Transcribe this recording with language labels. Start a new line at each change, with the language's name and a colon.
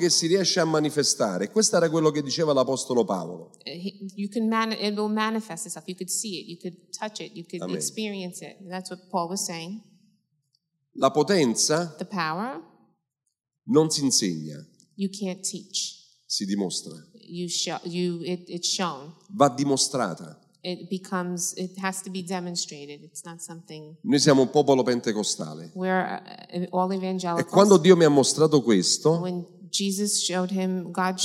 Italian: Che si riesce a manifestare. Questo era quello che diceva l'apostolo Paolo.
English: You can it will manifest itself. You could see it. You could touch it. You could Amen. Experience it. That's what Paul was saying.
Italian: La potenza,
English: the power,
Italian: non si insegna.
English: You can't teach.
Italian: Si dimostra.
English: It's shown.
Italian: Va dimostrata.
English: It has to be demonstrated. It's not something.
Italian: Noi siamo un popolo pentecostale.
English: We're all evangelicals.
Italian: E quando Dio mi ha mostrato questo,
English: when Jesus showed him, God showed